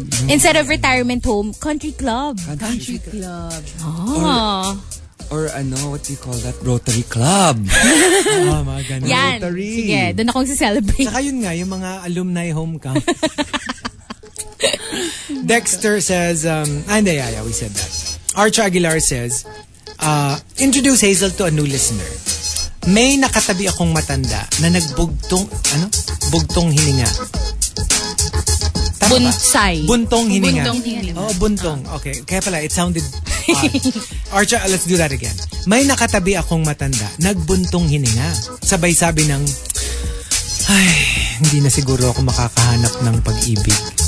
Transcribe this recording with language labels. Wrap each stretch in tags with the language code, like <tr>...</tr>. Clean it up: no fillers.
<en>Instead of retirement home, country club. Country club. Or ano, what do you call that? Rotary Club.</en> <tl>Oh, mga ganun. Yan. Rotary. Sige, doon akong si-celebrate. Saka yun nga, yung mga alumni home camp.</tl> <en>Dexter says, we said that. Arch Aguilar says, introduce Hazel to a new listener.</en> <tl>May nakatabi akong matanda na nagbugtong, ano? Bugtong hininga. Buntsay. Buntong hininga. Buntong hininga.</tl> <en>Oh, buntong. Okay.</en> <tl>Kaya pala,</tl> <en>it sounded odd. Archa, let's do that again.</en> <tl>May nakatabi akong matanda, nagbuntong hininga. Sabay sabi ng, ay, hindi na siguro ako makakahanap ng pag-ibig.</tl>